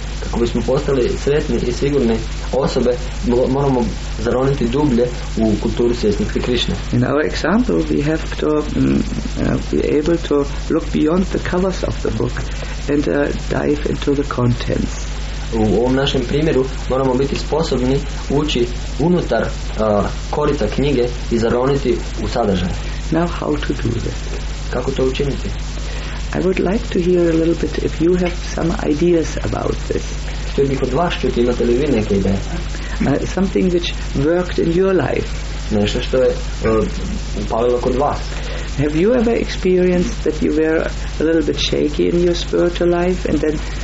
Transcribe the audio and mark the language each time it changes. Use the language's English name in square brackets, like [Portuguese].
[Croatian] Kako bismo postali sretni i sigurni osobe, moramo zaroniti dublje u kulturu svjesnosti Krišne. [English] In our example, we have to be able to look beyond the covers of the book and dive into the contents. [Croatian] U ovom našem primjeru moramo biti sposobni ući unutar korita knjige i zaroniti u sadržaj. [English] Now how to do that? [Croatian] Kako to učiniti? [English] I would like to hear a little bit if you have some ideas about this. [Croatian] Što bih od vas čuti, imate li vi neke ideje? [English] Something which worked in your life. [Croatian] Nešto što je upalilo kod vas. [English] Have you ever experienced that you were a little bit shaky in your spiritual life and then